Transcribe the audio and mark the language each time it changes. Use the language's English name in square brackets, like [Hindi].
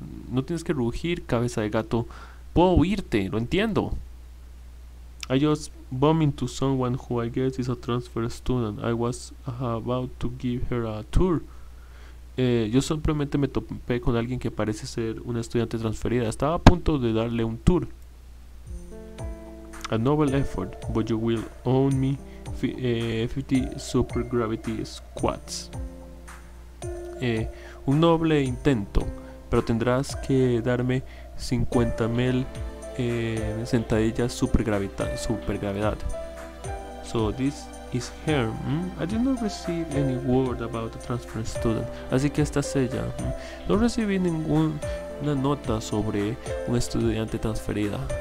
[Spanish] No tienes que rugir, cabeza de gato. Puedo oírte, lo entiendo. [English] I just bumped into someone who I guess is a transfer student. I was about to give her a tour. [Spanish] Yo simplemente me topé con alguien que parece ser una estudiante transferida. Estaba a punto de darle un tour. [English] A noble effort, but you will own me 50 super gravity squats. [Spanish] Un noble intento, pero tendrás que darme 50,000 sentadillas supergravedad. [English] So this is her. I did not receive any word about the transfer student. [Spanish] Así que esta es ella. No recibí ninguna nota sobre un estudiante transferida.